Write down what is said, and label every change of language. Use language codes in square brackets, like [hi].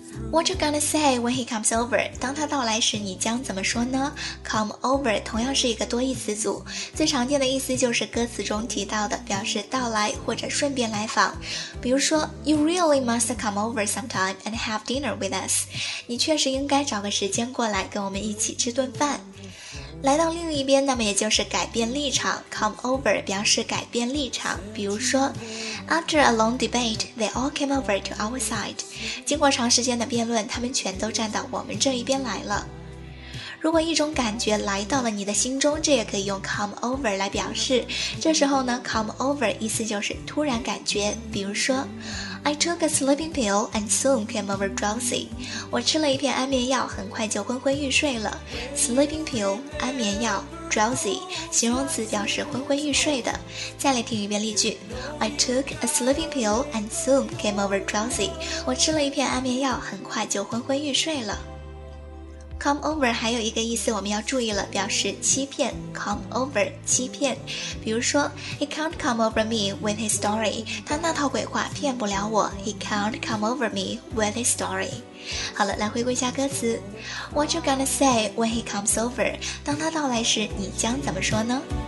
[en] What you gonna say when he comes over? [zh] 当他到来时，你将怎么说呢？Come over 同样是一个多义词组，最常见的意思就是歌词中提到的，表示到来或者顺便来访。比如说 [en] You really must come over sometime and have dinner with us. [zh] 你确实应该找个时间过来跟我们一起吃顿饭。来到另一边，那么也就是改变立场。Come over 表示改变立场。比如说 [en] After a long debate, they all came over to our side. [zh] 经过长时间的辩论，他们全都站到我们这一边来了。如果一种感觉来到了你的心中，这也可以用 come over 来表示。这时候呢 come over 意思就是突然感觉。比如说 [en] I took a sleeping pill and soon came over drowsy. [zh] 我吃了一片安眠药，很快就昏昏欲睡了。sleeping pill 安眠药， drowsy 形容词表示昏昏欲睡的。再来听一遍例句。 [en] I took a sleeping pill and soon came over drowsy. [zh] 我吃了一片安眠药，很快就昏昏欲睡了。Come over 还有一个意思我们要注意了，表示欺骗。 Come over 欺骗。 比如说 [en] He can't come over me with his story， [zh] 他那套鬼话骗不了我。 [en] He can't come over me with his story。 [zh] 好了，来回顾一下歌词。 [en] What you gonna say when he comes over， [zh] 当他到来时你将怎么说呢？